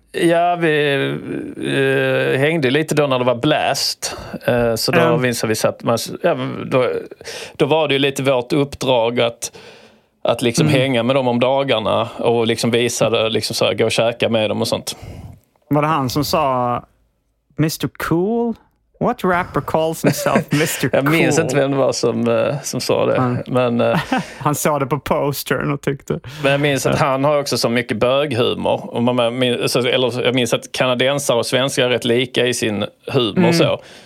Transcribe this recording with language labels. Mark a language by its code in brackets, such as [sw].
[sv] Ja, vi hängde lite då när det var blast. Så då visade vi att man, då var det ju lite vårt uppdrag att liksom hänga med dem om dagarna och liksom visa det, liksom så här, gå och käka med dem och sånt. Var det han som sa Mr. Cool? [en] What rapper calls himself Mr. Cool? [sv] Jag minns inte vem det var som sa det. Men, han sa det på postern och tyckte. Men jag minns att han har också så mycket böghumor. Jag minns att kanadensare och svenskar är rätt lika i sin humor. Mm. Så.